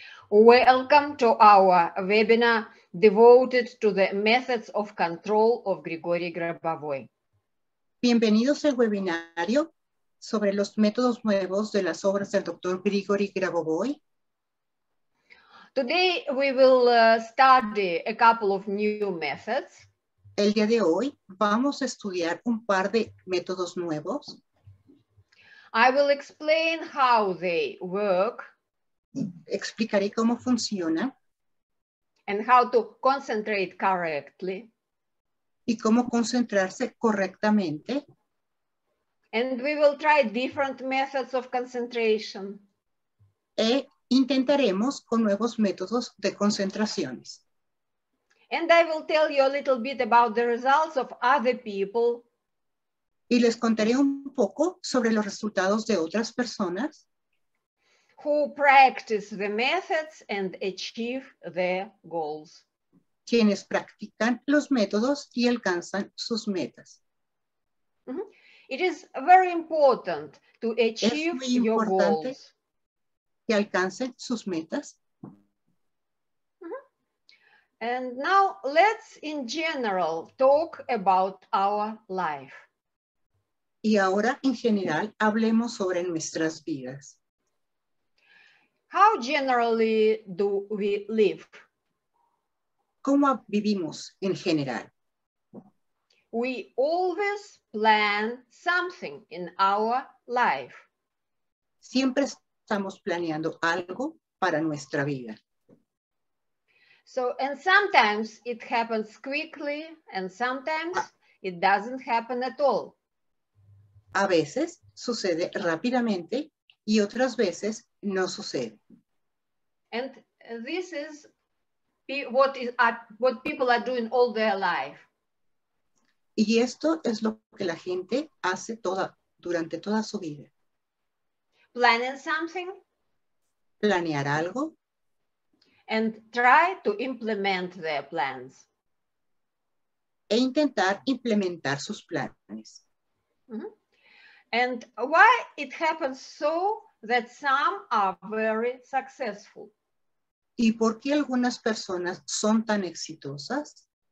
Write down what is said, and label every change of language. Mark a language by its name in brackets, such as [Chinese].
[English] Welcome to our webinar devoted to the methods of control of Grigori Grabovoi. [Spanish] Bienvenidos al webinario sobre los métodos nuevos de las obras del Dr. Grigori Grabovoi. [English] Today we will study a couple of new methods. [Spanish] El día de hoy vamos a estudiar un par de métodos nuevos. [English] I will explain how they work. [Spanish] Explicaré cómo funciona. [English] And how to concentrate correctly. [Spanish] Y cómo concentrarse correctamente. [English] And we will try different methods of concentration. [Spanish] E intentaremos con nuevos métodos de concentraciones. [English] And I will tell you a little bit about the results of other people. [Spanish] Y les contaré un poco sobre los resultados de otras personas. [English] Who practice the methods and achieve their goals. [Spanish] Quienes practican los métodos y alcanzan sus metas. [English] It is very important to achieve your goals. [Spanish] Que alcancen sus metas. [English] And now let's in general talk about our life. [Spanish] Y ahora en general hablemos sobre nuestras vidas. [English] How generally do we live? [Spanish] ¿Cómo vivimos en general? [English] We always plan something in our life. [Spanish] Siempre estamos planeando algo para nuestra vida. [English] So, and sometimes it happens quickly, and sometimes it doesn't happen at all. [Spanish] A veces sucede rápidamente, y otras veces no sucede. [English] And this is what people are doing all their life. [Spanish] Y esto es lo que la gente hace durante toda su vida. [English] Planning something. [Spanish] Planear algo. [English] And try to implement their plans. [Spanish] E intentar implementar sus planes. [English] And why it happens so that some are very successful? [Spanish] ¿Y por qué algunas personas son tan exitosas?